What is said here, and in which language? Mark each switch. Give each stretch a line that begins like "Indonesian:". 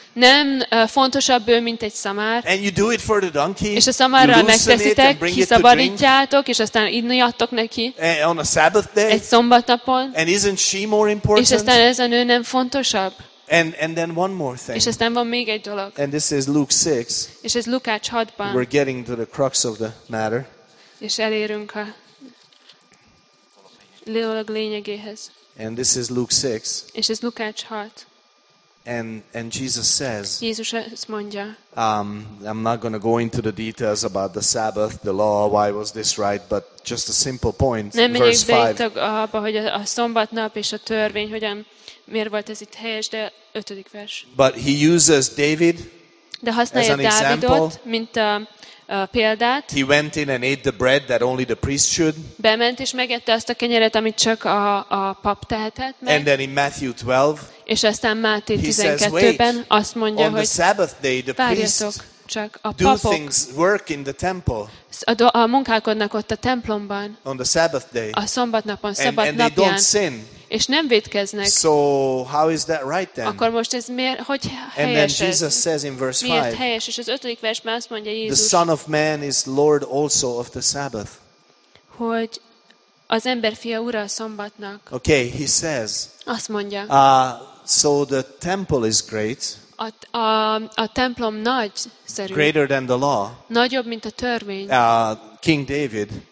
Hungarian: Nem fontosabb ő, mint egy szamár.
English: And you do it for the donkey.
Hungarian: És a szamárral megteszitek, kiszabadítjátok, és aztán inni adtok neki.
English: On a Sabbath day.
Hungarian: Egy szombatnapon.
English: And isn't she more important?
Hungarian: És aztán ez a nő nem fontosabb.
English: And then one more thing.
Hungarian: És aztán van még egy dolog.
English: And this is Luke 6.
Hungarian: És ez Lukács 6-ban.
English: We're getting to the crux of the matter.
Hungarian: És elérünk a lényegéhez.
English: And this is Luke 6.
Hungarian: És ez Lukács 6.
English: And Jesus says,
Hungarian: Jézus ezt mondja,
English: I'm not going to go into the details about the Sabbath, the law, why was this right, but just a simple point,
Hungarian: nem
English: verse 5.
Hungarian: Nem menjék be abba, hogy a szombatnap és a törvény, hogyan, miért volt ez itt helyes, de 5. vers.
English: But he uses David
Hungarian: de használja
English: as an Dávidot,
Hungarian: example. Mint a példát.
English: He went in and ate the bread that only the priest should.
Hungarian: Bement és megette azt a kenyeret, amit csak a pap tehetett meg.
English: And then in Matthew 12,
Hungarian: és aztán Máté 12-ben azt mondja, hogy várjatok, csak a papok
English: do things work in the temple.
Hungarian: A munkálkodnak ott a templomban.
English: On the Sabbath day.
Hungarian: A szombatnapon, szabad
English: and
Hungarian: napján.
English: They don't sin.
Hungarian: És nem vétkeznek.
English: So how is that right then?
Hungarian: Akkor most ez miért, hogy helyes
English: and then
Hungarian: ez?
English: Jesus says in verse 5.
Hungarian: Miért helyes? És az 5. versben azt mondja Jézus.
English: The Son of Man is Lord also of the Sabbath.
Hungarian: Hogy az ember fia ura a szombatnak.
English: Okay, he says.
Hungarian: Azt mondja.
English: So the temple is great.
Hungarian: A templom nagy, szerű.
English: Greater than the law.
Hungarian: Nagyobb, mint a törvény.
English: King David.